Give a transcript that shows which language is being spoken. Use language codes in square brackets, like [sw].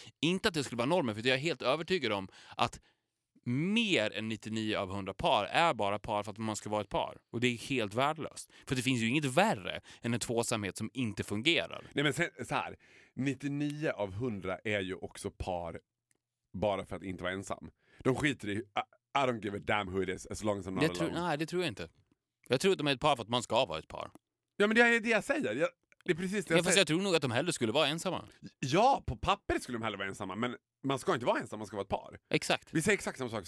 [sv] Inte att det skulle vara normen, för jag är helt övertygad om att mer än 99 av 100 par är bara par för att man ska vara ett par. Och det är helt värdelöst. För det finns ju inget värre än en tvåsamhet som inte fungerar. Nej, men så här, 99 av 100 är ju också par bara för att inte vara ensam. De skiter i, [en] I don't give a damn who it is as long as I'm not alone. [sv] Nej, det tror jag inte. Jag tror att de är ett par för att man ska vara ett par. Ja, men det är det jag säger. Det är precis det jag säger. Jag tror nog att de hellre skulle vara ensamma. Ja, på papper skulle de hellre vara ensamma. Men man ska inte vara ensam, man ska vara ett par. Exakt. Vi säger exakt samma sak.